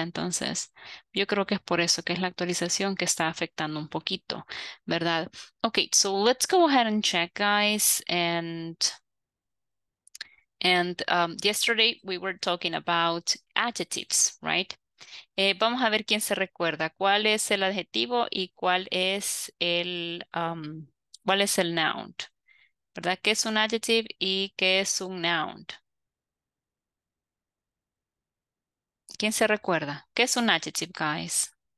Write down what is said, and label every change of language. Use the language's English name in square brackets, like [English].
[Spanish] Entonces, yo creo que es por eso que es la actualización que está afectando un poquito, ¿verdad? [English] Okay, so let's go ahead and check, guys. And yesterday we were talking about adjectives, right? [Spanish] Vamos a ver quién se recuerda. ¿Cuál es el adjetivo y cuál es el noun? ¿Verdad? ¿Qué es un adjective y qué es un noun? ¿Quién se recuerda? ¿Qué es un adjective, guys?